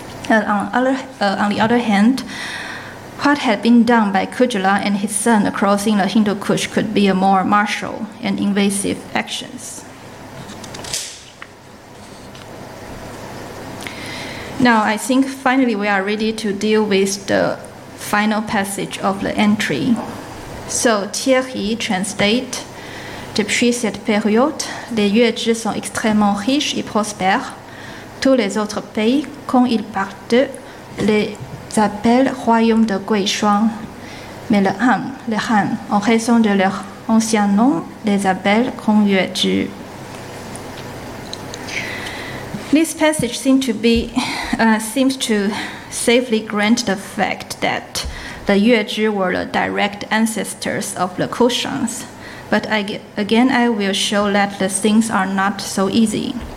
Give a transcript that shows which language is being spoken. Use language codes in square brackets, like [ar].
[en] On the other hand, what had been done by Kujula and his son crossing the Hindu Kush could be a more martial and invasive actions. Now, I think finally we are ready to deal with the final passage of the entry. So, Thierry translate, [fr] depuis cette période, les Yuezhi sont extrêmement riches et prospères. Tous les autres pays, quand ils partent, les appellent royaume de Guishuang. Mais le Han, en raison de leur ancien nom, les appelle Kong Yuezhi. [en] This passage seems to safely grant the fact that the Yuezhi were the direct ancestors of the Kushans. But I will show that the things are not so easy.